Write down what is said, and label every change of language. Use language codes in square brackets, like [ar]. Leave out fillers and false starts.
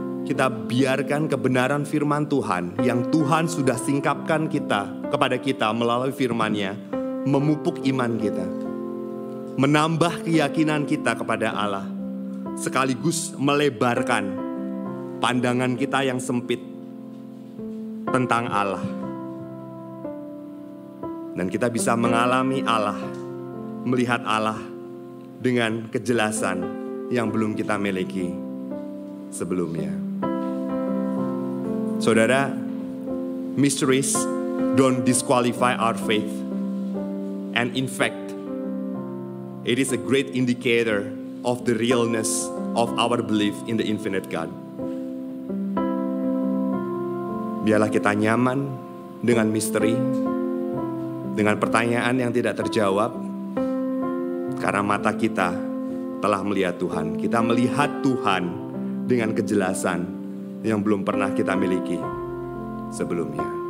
[id] kita biarkan kebenaran firman Tuhan yang Tuhan sudah singkapkan kita kepada kita melalui firman-Nya memupuk iman kita, menambah keyakinan kita kepada Allah, sekaligus melebarkan pandangan kita yang sempit tentang Allah. Dan kita bisa mengalami Allah, melihat Allah dengan kejelasan yang belum kita miliki sebelumnya. [en] Saudara, mysteries don't disqualify our faith. And in fact, it is a great indicator of the realness of our belief in the infinite God. [id] Biarlah kita nyaman dengan misteri, dengan pertanyaan yang tidak terjawab, karena mata kita telah melihat Tuhan. Kita melihat Tuhan dengan kejelasan yang belum pernah kita miliki sebelumnya.